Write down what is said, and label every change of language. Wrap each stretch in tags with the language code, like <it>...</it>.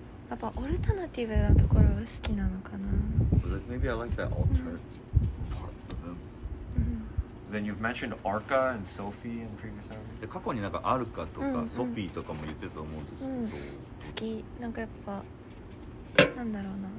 <ja>やっぱオルタナティブなところが好きなのかな。</ja> <en>Maybe I like that alternate part of them. Then you've mentioned Arca and Sophie in previous episodes.</en> <ja>過去になんかアルカとかソフィーとかも言ってたと思うんですけど。好き。なんかやっぱなんだろうな。</ja>